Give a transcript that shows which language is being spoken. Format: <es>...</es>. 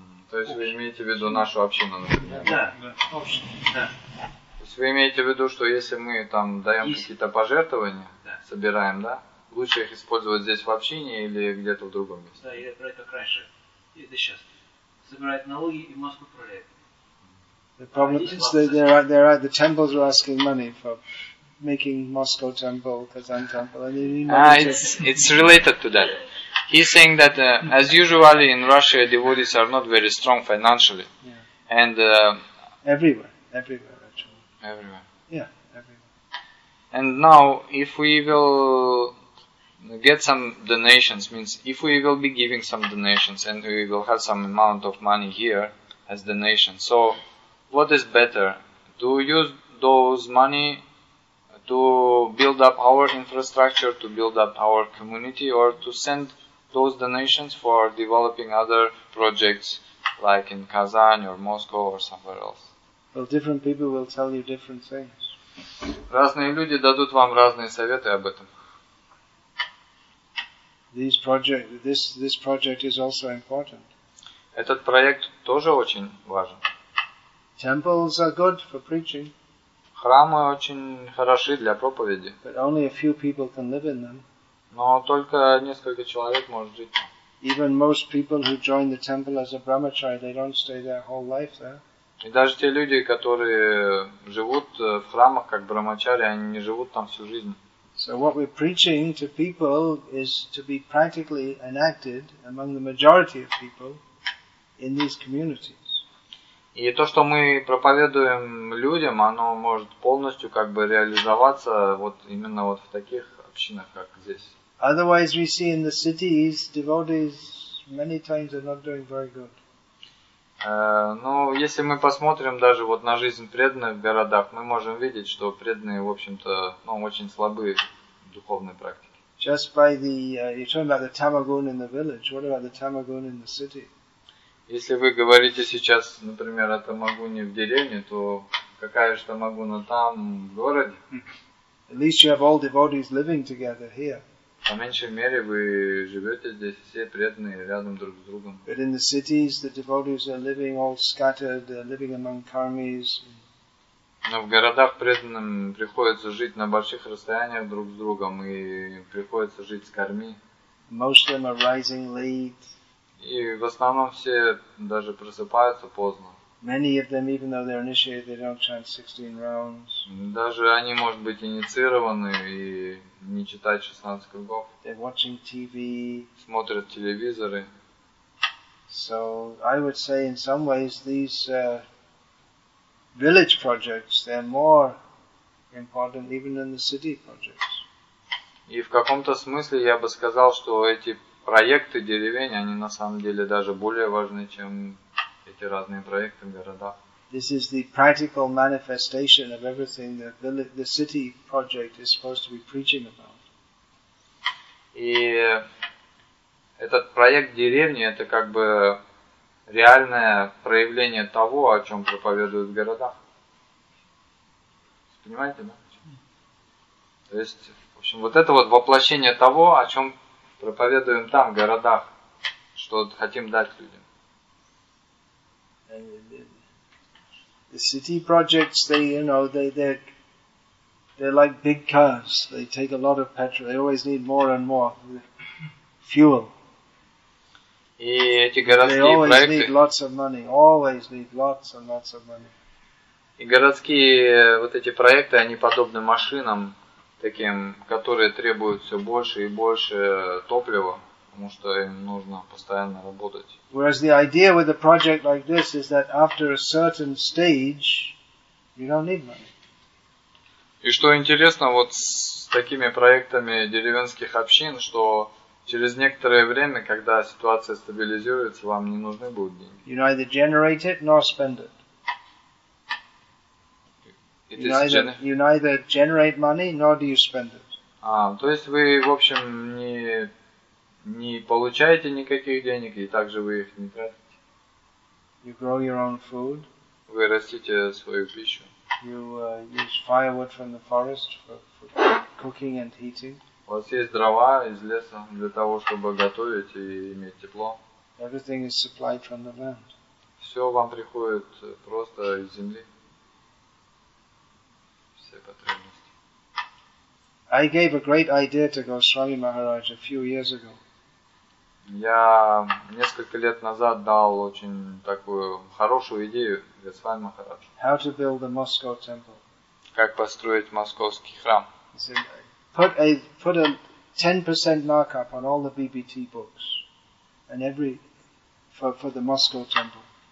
<ru>То есть вы имеете в виду нашу общину, например? Да, общину, да. То есть вы имеете в виду, что если мы там даем какие-то пожертвования, да, собираем, да, лучше их использовать здесь в общине или где-то в другом месте? Да, или брать как раньше, и это сейчас. Собирать налоги и в Москву отправляют.</ru> <en>The problem is that the temples are asking money for making Moscow temple, Kazan temple, and they need money. It's related to that. He's saying that as usually in Russia, devotees are not very strong financially. Yeah. And everywhere actually. Everywhere. Yeah, everywhere. And now, if we will get some donations, means if we will be giving some donations and we will have some amount of money here as donation, so what is better? To use those money to build up our infrastructure, to build up our community, or to send those donations for developing other projects like in Kazan or Moscow or somewhere else? Well, different people will tell you different things.</en> <ru>Разные люди дадут вам разные советы об этом.</ru> <en>This project is also important.</en> <ru>Этот проект тоже очень важен.</ru> <en>Temples are good for preaching.</en> <ru>Храмы очень хороши для проповеди.</ru> <en>But only a few people can live in them.</en> <ru>Но только несколько человек может жить там.</ru> <en>Even most people who join the temple as a brahmachari, they don't stay their whole life there.</en> <ru>И даже те люди, которые живут в храмах как брахмачари, они не живут там всю жизнь.</ru> <en>So what we're preaching to people is to be practically enacted among the majority of people in these communities.</en> <ru>И то, что мы проповедуем людям, оно может полностью как бы реализоваться вот именно вот в таких общинах, как здесь.</ru> <en>Otherwise, we see in the cities devotees many times are not doing very good.</en> <ru>Ну, если мы посмотрим даже вот на жизнь преданных в городах, мы можем видеть, что преданные, в общем-то, ну, очень слабые в духовной практике.</ru> <en>Just by the, you're talking about the tamagun in the village. What about the tamagun in the city?</en> <ru>Если вы говорите сейчас, например, о тамагуне в деревне, то какая же тамагуна там, в городе?</ru> <en>At least you have all devotees living together here.</en> <ru>По меньшей мере вы живете здесь все преданные рядом друг с другом.</ru> <en>But in the cities, the devotees are living all scattered, living among karmis.</en> <ru>Но в городах преданным приходится жить на больших расстояниях друг с другом и приходится жить с карми.</ru> <en>Most of them are rising late.</en> <ru>И в основном все даже просыпаются поздно.</ru> <en>Many of them, even though they're initiated, they don't chant 16 rounds.</en> <ru>Даже они, может быть, инициированы и не читают 16 кругов.</ru> <en>They're watching TV.</en> <ru>Смотрят телевизоры.</ru> <en>So I would say, in some ways, these village projects they're more important even than the city projects.</en> <ru>И в каком-то смысле я бы сказал, что эти проекты деревень, они на самом деле даже более важны, чем эти разные проекты в городах.</ru> <en>This is the practical manifestation of everything that the city project is supposed to be preaching about.</en> <ru>И этот проект деревни это как бы реальное проявление того, о чем проповедуют в городах. Понимаете, да? То есть, в общем, вот это вот воплощение того, о чем проповедуем там, в городах, что хотим дать людям.</ru> <en>The city projects, they, you know, they're like big cars. They take a lot of petrol. They always need more and more fuel.</en> <ru>И эти городские проекты.</ru> <en>They always need lots of money. Always need lots and lots of money.</en> <ru>И городские вот эти проекты, они подобны машинам таким, которые требуют все больше и больше топлива. Потому что им нужно постоянно работать.</ru> <en>Whereas the idea with a project like this is that after a certain stage, you don't need money.</en> <ru>И что интересно, вот с такими проектами деревенских общин, что через некоторое время, когда ситуация стабилизируется, вам не нужны будут деньги.</ru> <en>You neither generate it nor spend it. You neither generate money nor do you spend it.</en> <ru>А, то есть вы, в общем, не получаете никаких денег и также вы их не тратите.</ru> <en>You grow your own food.</en> <ru>Вы растите свою пищу.</ru> <en>You use firewood from the forest for cooking and heating.</en> <ru>У вас есть дрова из леса для того, чтобы готовить и иметь тепло.</ru> <en>Everything is supplied from the land.</en> <ru>Все вам приходит просто из земли. Все потребности.</ru> <en>I gave a great idea to Goswami Maharaj a few years ago.</en> <ru>Я несколько лет назад дал очень такую хорошую идею Госвами Махараджу.</ru> <en>How to build a Moscow temple?</en> <ru>Как построить московский храм?</ru> <en>He said, put a 10% markup on all the BBT books and every for the Moscow temple.</en>